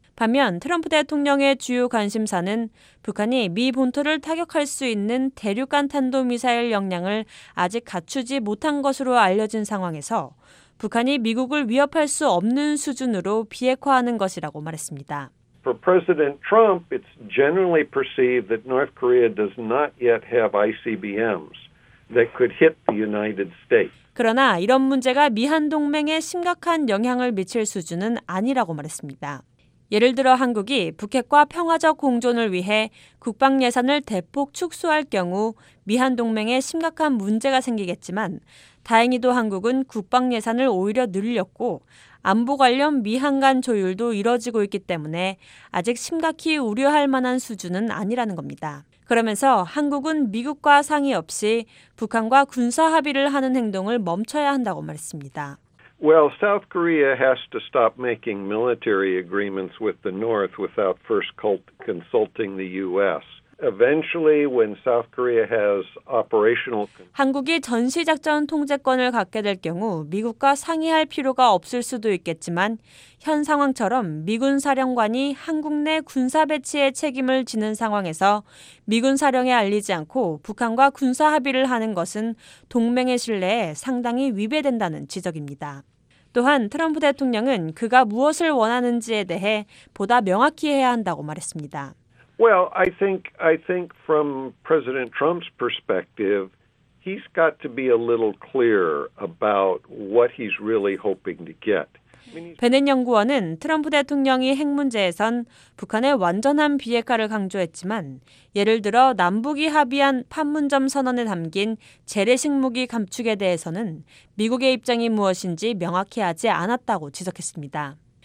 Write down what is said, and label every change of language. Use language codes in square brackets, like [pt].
[ko] 반면 트럼프 대통령의 주요 관심사는 북한이 미 본토를 타격할 수 있는 대륙간 탄도미사일 역량을 아직 갖추지 못한 것으로 알려진 상황에서 북한이 미국을 위협할 수 없는 수준으로 비핵화하는 것이라고 말했습니다. [en] For President Trump, it's generally perceived that North Korea does not yet have ICBMs that could hit the United States. [ko] 그러나 이런 문제가 미한 동맹에 심각한 영향을 미칠 수준은 아니라고 말했습니다. 예를 들어 한국이 북핵과 평화적 공존을 위해 국방 예산을 대폭 축소할 경우 미한 동맹에 심각한 문제가 생기겠지만 다행히도 한국은 국방 예산을 오히려 늘렸고 안보 관련 미한 간 조율도 이뤄지고 있기 때문에 아직 심각히 우려할 만한 수준은 아니라는 겁니다. 그러면서 한국은 미국과 상의 없이 북한과 군사 합의를 하는 행동을 멈춰야 한다고 말했습니다. [en] Well, South Korea has to stop making military agreements with the North without first consulting the U.S. Eventually, when South Korea has operational [ko] 한국이 전시작전 통제권을 갖게 될 경우 미국과 상의할 필요가 없을 수도 있겠지만 현 상황처럼 미군 사령관이 한국 내 군사 배치에 책임을 지는 상황에서 미군 사령에 알리지 않고 북한과 군사 합의를 하는 것은 동맹의 신뢰에 상당히 위배된다는 지적입니다. 또한 트럼프 대통령은 그가 무엇을 원하는지에 대해 보다 명확히 해야 한다고 말했습니다. [en] Well, I think from President Trump's perspective, he's got to be a little clearer about what he's really hoping to get. [ko] 베넷 연구원은 트럼프 대통령이 핵 문제에선 북한의 완전한 비핵화를 강조했지만 예를 들어 남북이 합의한 판문점 선언에 담긴 재래식 무기 감축에 대해서는 미국의 입장이 무엇인지 명확히 하지 않았다고 지적했습니다.